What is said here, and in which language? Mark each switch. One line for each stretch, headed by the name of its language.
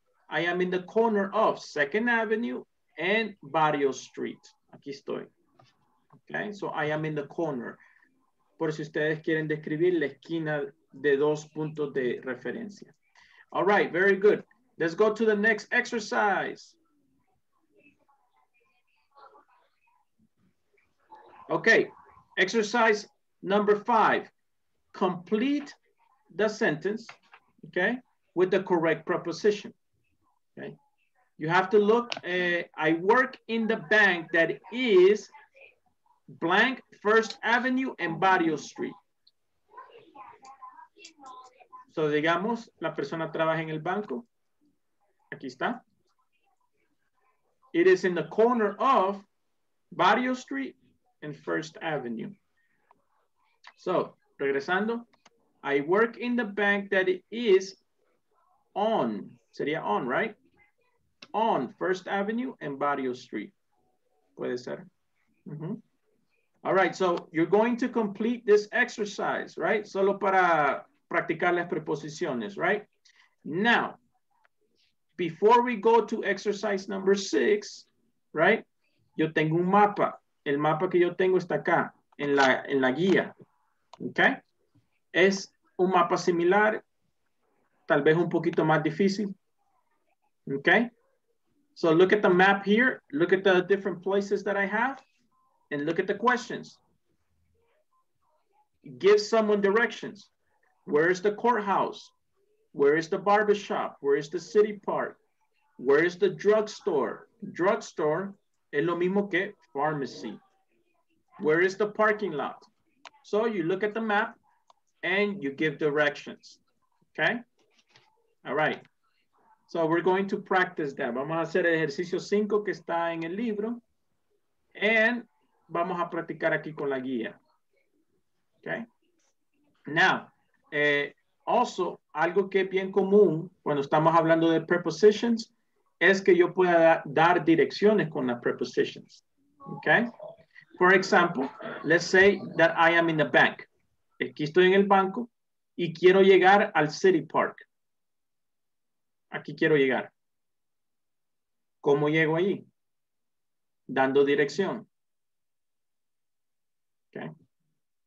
English: I am in the corner of Second Avenue and Barrio Street.
Spanish: Aquí estoy.
English: Okay, so I am in the corner.
Spanish: Por si ustedes quieren describir la esquina de dos puntos de referencia.
English: All right, very good. Let's go to the next exercise. Okay, exercise number 5. Complete the sentence, okay, with the correct preposition. Okay. You have to look, I work in the bank that is blank First Avenue and Barrio Street.
Spanish: So digamos, la persona trabaja en el banco. Aquí está.
English: It is in the corner of Barrio Street and First Avenue. So, regresando, I work in the bank that is on, sería on, right? On First Avenue and Barrio Street.
Spanish: Puede ser.
English: Mm-hmm. All right, so you're going to complete this exercise, right?
Spanish: Solo para practicar las preposiciones,
English: right? Now, before we go to exercise number 6, right?
Spanish: Yo tengo un mapa. El mapa que yo tengo está acá, en la guía. Okay? Es un mapa similar, tal vez un poquito más difícil. Okay?
English: So look at the map here, look at the different places that I have, and look at the questions. Give someone directions. Where is the courthouse? Where is the barbershop? Where is the city park? Where is the drugstore? Drugstore
Spanish: es lo mismo que
English: pharmacy. Where is the parking lot? So you look at the map and you give directions, okay? All right. So we're going to practice that.
Spanish: Vamos a hacer el ejercicio 5 que está en el libro. And vamos a practicar aquí con la guía. Okay.
English: Now, also,
Spanish: algo que es bien común cuando estamos hablando de prepositions es que yo pueda dar direcciones con las prepositions. Okay.
English: For example, let's say that I am in the bank.
Spanish: Aquí estoy en el banco y quiero llegar al city park. Aquí quiero llegar. ¿Cómo llego allí? Dando dirección. Okay.